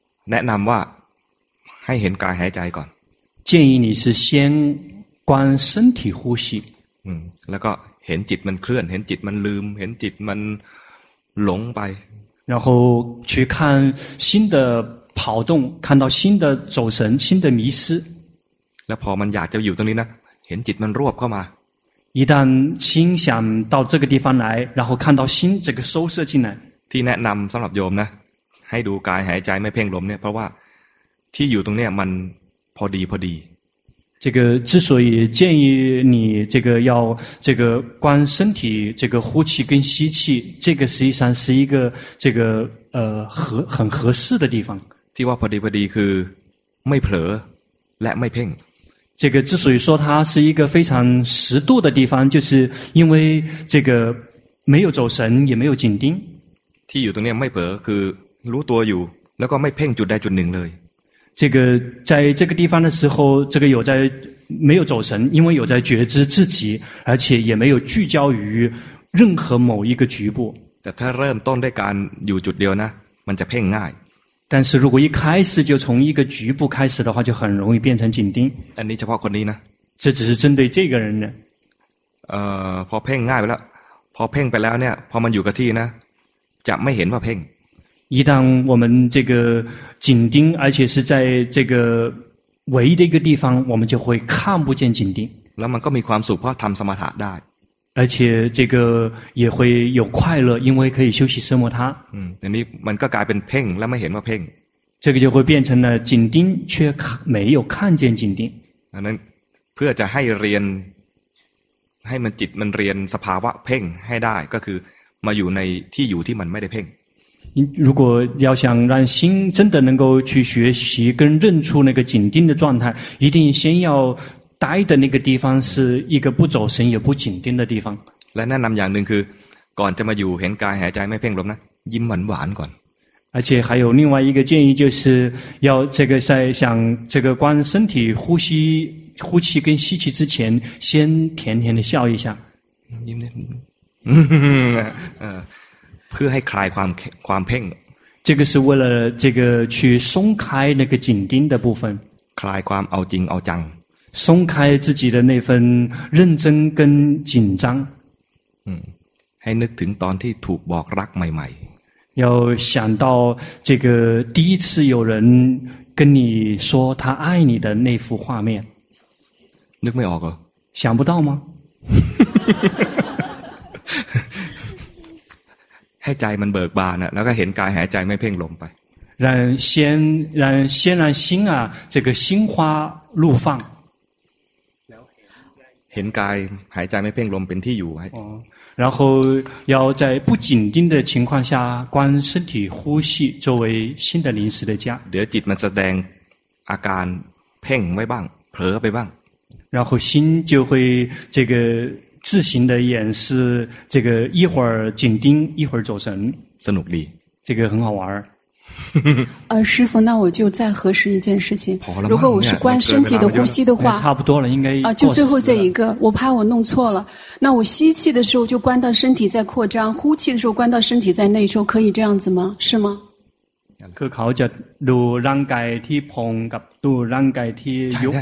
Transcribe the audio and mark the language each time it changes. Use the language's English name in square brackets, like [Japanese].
[Thai] แนะนำว่าให้เห็นกายหายใจก่อน [Chinese] 建议你是先观身体呼吸 [Thai] แล้วก็เห็นจิตมันเคลื่อนเห็นจิตมันลืมเห็นจิตมันหลงไป [Chinese] 然后去看心的跑动看到心的走神心的迷失 [Thai] แล้วพอมันอยากจะอยู่ตรงนี้นะเห็นจิตมันรวบเข้ามา [Chinese] 一旦心想到这个地方来然后看到心这个收摄进来 [Thai] ที่แนะนำสำหรับโยมนะให้ดูกายหายใจไม่เพ่งลมเนี่ยเพราะว่าที่อยู่ตรงเนี้ยมันพอดีพอดี [Chinese] 这个之所以建议你这个要这个观身体这个呼气跟吸气这个实际上是一个这个很合适的地方 [Thai] ที่ว่าพอดีพอดีคือไม่เผลอและไม่เพ่ง [Chinese] 这个之所以说它是一个非常适度的地方就是因为这个没有走神也没有紧盯 [Thai] ที่อยู่ตรงนี้ไม่เผลอคือรู้ตัวอยู่แล้วก็ไม่เพ่งจุดใดจุดหนึ่งเลย [Chinese] 这个在这个地方的时候这个有在没有走神因为有在觉知自己而且也没有聚焦于任何某一个局部 [Thai] แต่ถ้าเริ่มต้นด้วยการอยู่จุดเดียวนะมันจะเพ่งง่าย [Chinese] 但是如果一开始就从一个局部开始的话就很容易变成紧盯 [Thai] อันนี้เฉพาะคนนี้นะ [Chinese] 这只是针对这个人呢 [Thai] พอเพ่งง่ายไปแล้วพอเพ่งไปแล้วเนี่ยพอมันอยู่กับที่นะจะไม่เห็นว่าเพ่ง [Chinese] 一旦我们这个紧盯而且是在这个唯一的一个地方我们就会看不见紧盯 [Thai] แล้วมันก็มีความสุขเพราะทำสมถะได้ [Chinese] 而且这个也会有快乐因为可以休息奢摩他 [Thai] อันนี้มันก็กลายเป็นเพ่งแล้วไม่เห็นว่าเพ่ง [Chinese] 这个就会变成了紧盯却没有看见紧盯 [Thai] อันนั้นเพื่อจะให้เรียนให้มันจิตมันเรียนสภาวะเพ่งให้ได้ก็คือมาอยู่ในที่อยู่ที่มันไม่ได้เพ่ง [Chinese] 如果要想让心真的能够去学习跟认出那个紧盯的状态一定先要待的那个地方是一个不走神也不紧盯的地方 [Thai] และแนะนำอย่างหนึ่งคือก่อนจะมาอยู่เห็นกายหายใจไม่เพ่งลมนะยิ้มหวานๆก่อน [Chinese] 而且还有另外一个建议，就是要这个在想这个观身体呼吸、呼气跟吸气之前，先甜甜的笑一下。嗯 [Thai] 嗯嗯，去ให้คลายความเพ่ง。 [Chinese] 这个是为了这个去松开那个紧盯的部分。 [Thai] คลายความเอาจริงเอาจัง。 [Chinese] 松开自己的那份认真跟紧张。 [Thai] 嗯，ให้นึกถึงตอนที่ถูกบอกรักใหม่ๆ [Chinese] 要想到这个第一次有人跟你说他爱你的那幅画面，那没有个想不到吗？ [Thai] ให้ใจมันเบิกบานอ่ะแล้วก็เห็นกายหายใจไม่เพ่งลมไป [Chinese] 让心啊这个心花怒放， [Thai] เห็นกายหายใจไม่เพ่งลมเป็นที่อยู่ไว้ [Chinese] 然后要在不紧盯的情况下观身体呼吸作为新的临时的家 [Thai] เดี๋ยวจิตมันแสดงอาการเพ่งไว้บ้างเผลอไปบ้าง [Chinese] 然后心就会这个自行的演示这个一会儿紧盯一会儿走神 [Thai] สนุกดี [Chinese] 这个很好玩师父那我就再核实一件事情如果我是观身体的呼吸的话差不多了应该就最后这一个我怕我弄错了那我吸气的时候就观到身体在扩张呼气的时候观到身体在内收可以这样子吗是吗 [Thai] คือเขาจะดูร่างกายที่พองกับดูร่างกายที่ยุบ